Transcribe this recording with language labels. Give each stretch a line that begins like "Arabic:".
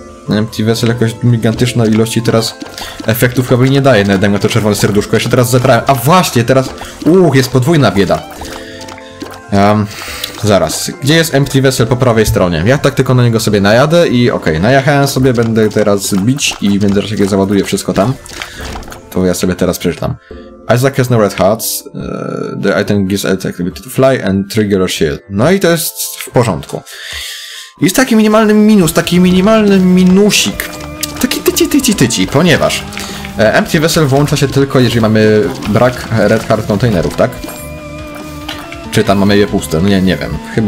Polish: Empty Vessel jakoś gigantyczna ilości teraz efektów chyba nie daje, nawet na to czerwone serduszko. Jeszcze teraz zebrałem. A właśnie, teraz... jest podwójna bieda. Zaraz. Gdzie jest Empty Vessel po prawej stronie? Ja tak tylko na niego sobie najadę i okej. Najechałem sobie, będę teraz bić i w międzyczasie jak załaduję wszystko tam, to ja sobie teraz przeczytam.
English: Isaac has no red hearts. The item gives attack ability to fly and trigger a shield.
Polish: No i to jest w porządku. Jest taki minimalny minus, taki minimalny minusik. Taki tyci, ponieważ Empty Vessel włącza się tylko, jeżeli mamy brak Red Heart Containerów, tak? Czy tam mamy je puste? No nie wiem.